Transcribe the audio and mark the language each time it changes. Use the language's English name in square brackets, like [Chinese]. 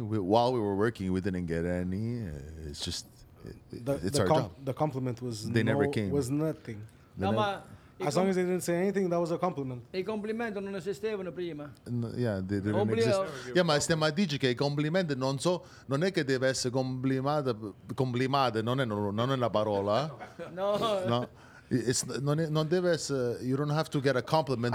[English] While we were working, we didn't get any. It's just. The compliment was they no, never came. Was nothing. No, as long as they didn't say anything, that was a compliment. [Italian] I complimenti non esistevano prima. [English] Yeah, they didn't exist. [Italian] Yeah, ma stiamo a dire che i complimenti non so, non è che deve essere complimata, non è la parola. [English] No. No. It's [Italian] non deve essere, [English] you don't have to get a compliment.